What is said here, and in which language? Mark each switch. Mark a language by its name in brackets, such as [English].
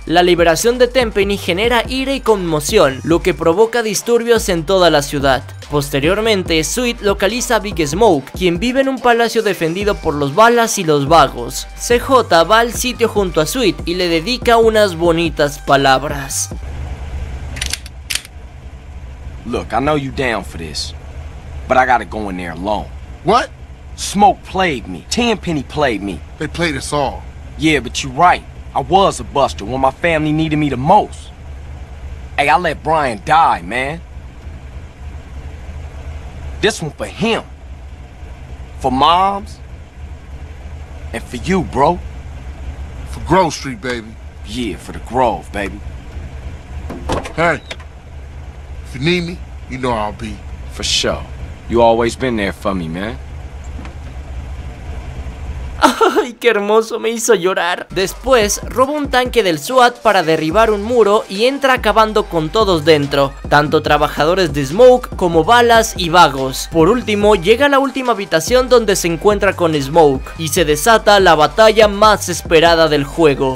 [Spanish] La liberación de Tempeny genera ira y conmoción, lo que provoca disturbios en toda la ciudad. Posteriormente, Sweet localiza a Big Smoke, quien vive en un palacio defendido por los balas y los vagos. CJ va al sitio junto a Sweet y le dedica unas bonitas palabras. [English] Look, I know you down for this, but I gotta go in there alone. What? Smoke played me. Tenpenny played me. They played us all. Yeah, but you're right. I was a buster when my family needed me the most. Hey, I let Brian die, man. This one for him. For moms. And for you, bro. For Grove Street, baby. Yeah, for the Grove, baby. Hey. If you need me, you know I'll be. For sure. You always been there for me, man. [Spanish] ¡Ay, qué hermoso! Me hizo llorar. Después, roba un tanque del SWAT para derribar un muro y entra acabando con todos dentro, tanto trabajadores de Smoke como balas y vagos. Por último, llega a la última habitación donde se encuentra con Smoke y se desata la batalla más esperada del juego.